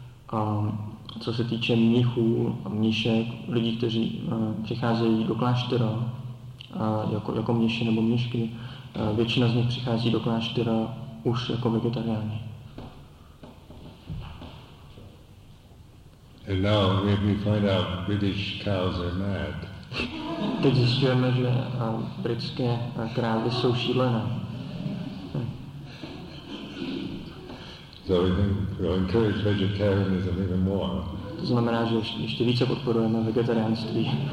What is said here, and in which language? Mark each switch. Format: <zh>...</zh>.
<cs>A co se týče mnichů a mnišek, lidí, kteří přicházejí do kláštera jako mniši nebo mnišky, většina z nich přichází do kláštera už jako vegetariáni.</cs> <en>And now we find out British cows are mad.</en> <cs>Teď zjistujeme, že britské krávy jsou šílené.</cs> <en>So we encourage vegetarianism even more.</en> <cs>To znamená, že ještě více podporujeme vegetariánství.</cs>